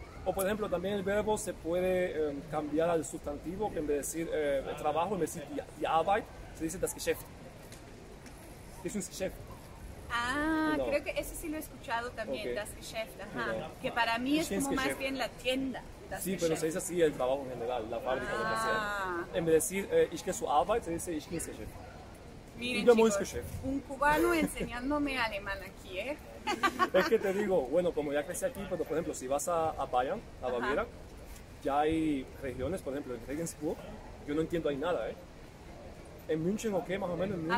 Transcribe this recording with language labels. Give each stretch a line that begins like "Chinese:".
Spanish: O por ejemplo, también el verbo se puede cambiar al sustantivo, que en vez de decir el trabajo, en vez de decir die Arbeit, se dice das Geschäft. Es un Geschäft. Ah, no. Creo que eso sí lo he escuchado también, okay. das Geschäft, ajá. No. Que para mí es como más bien la tienda.
German: Das
Spanish: sí, pero se dice así el trabajo en general, la fábrica, lo que sea. En vez de decir,
German: ich gehe zur Arbeit,
Spanish: se dice,
German: ich gehe ins Geschäft.
Spanish: Miren, chicos, un cubano enseñándome alemán aquí, ¿eh? Es que te digo, bueno, como ya crecí aquí, pero por ejemplo, si vas a Bayern, a Baviera, ya hay regiones, por ejemplo, en Regensburg, yo no entiendo ahí nada, ¿eh? En München, ok, más o menos, en München,